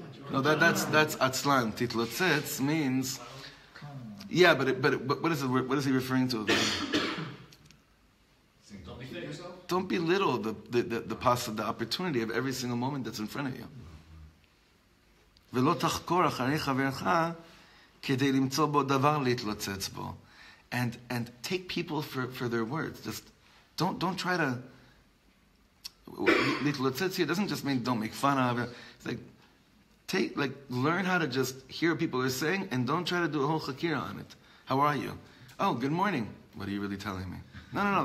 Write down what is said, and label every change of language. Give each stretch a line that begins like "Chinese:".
English: No, that's atzlan. Titlotzetz means, yeah, but what is it? What is he referring to? Don't belittle the opportunity of every single moment that's in front of you.
Hebrew: ולא תחקור אחרי חברך כדי למצוא בו דבר להתלוצץ בו.
English: And take people for their words. Just don't try to להתלוצץ here doesn't just mean don't make fun of it. It's like learn how to just hear what people are saying and don't try to do a whole chakira on it. How are you? Oh, good morning. What are you really telling me? No.